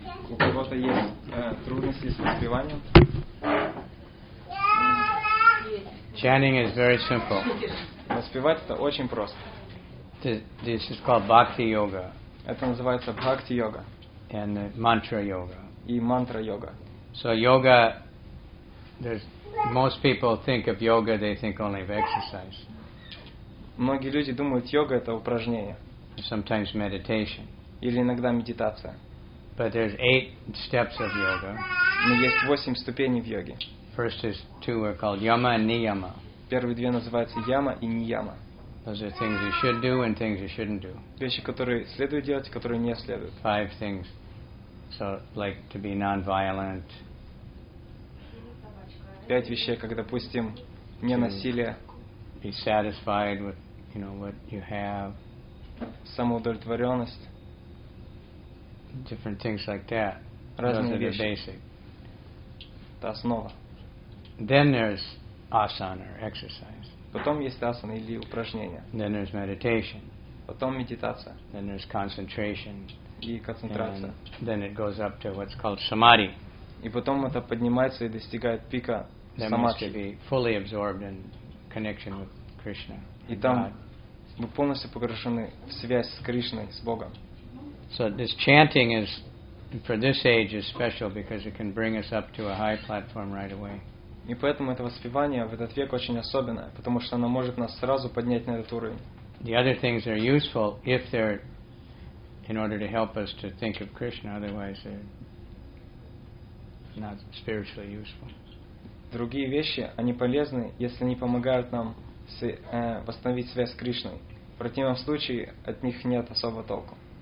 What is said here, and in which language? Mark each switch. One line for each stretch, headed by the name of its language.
Russian: У кого-то есть трудности с воспеванием?
English: Chanting is very simple.
Russian: Воспевать это очень просто.
English: This is called bhakti yoga.
Russian: Это называется бхакти йога.
English: And mantra yoga.
Russian: И мантра йога.
English: So yoga, most people think of yoga, they think only of exercise.
Russian: Многие люди думают, йога это упражнение.
English: Sometimes meditation.
Russian: Или иногда медитация.
English: But there's 8 steps of yoga.
Russian: Но есть 8 ступеней в йоге.
English: First is 2 are called yama and niyama.
Russian: Первые две называются яма и нияма.
English: Those are things you should do and things you shouldn't do.
Russian: Вещи, которые следует делать, которые не следует.
English: 5 things. So, like to be non-violent.
Russian: 5 вещей, как, допустим, не насилие.
English: Be satisfied with, you know, what you have.
Russian: Самоудовлетворенность.
English: Different things like that.
Russian: Разные
English: Those are
Russian: вещи.
English: The basic.
Russian: Это основа.
English: Then there's asana, or exercise.
Russian: Потом есть асана или упражнения.
English: Then there's meditation.
Russian: Потом медитация.
English: Then there's concentration.
Russian: И концентрация.
English: And then it goes up to what's called samadhi.
Russian: И потом это поднимается и достигает пика
English: there
Russian: самадхи.
English: There must be fully absorbed in connection with Krishna.
Russian: И там
English: God.
Russian: Мы полностью погружены в связь с Кришной, с Богом.
English: So this chanting is for this age is special because it can bring us up to a high platform right away.
Russian: И поэтому это воспевание в этот век очень особенное, потому что оно может нас сразу поднять на этот уровень.
English: The other things are useful if they're in order to help us to think of Krishna, otherwise they're not spiritually useful.
Russian: Другие вещи, они полезны, если они помогают нам восстановить связь с Кришной. В противном случае от них нет особого толку.